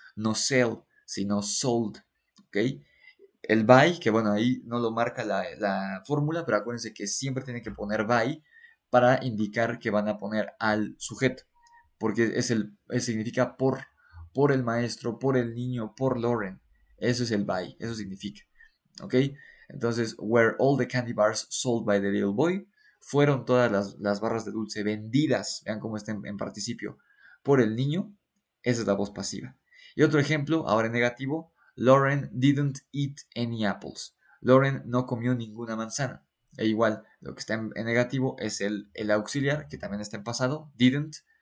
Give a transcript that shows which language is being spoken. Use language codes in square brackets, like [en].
[es] No sell, sino sold. ¿Okay? El by, que bueno, ahí no lo marca la fórmula, pero acuérdense que siempre tiene que poner by para indicar que van a poner al sujeto. Porque significa por el maestro, por el niño, por Lauren. Eso es el by, eso significa. ¿Okay? [en] Entonces, were all the candy bars sold by the little boy? [es] Fueron todas las barras de dulce vendidas, vean cómo está en participio, por el niño. Esa es la voz pasiva. Y otro ejemplo, ahora en negativo. [en] Lauren didn't eat any apples. [es] Lauren no comió ninguna manzana. E igual, lo que está en negativo es el auxiliar, que también está en pasado, didn't.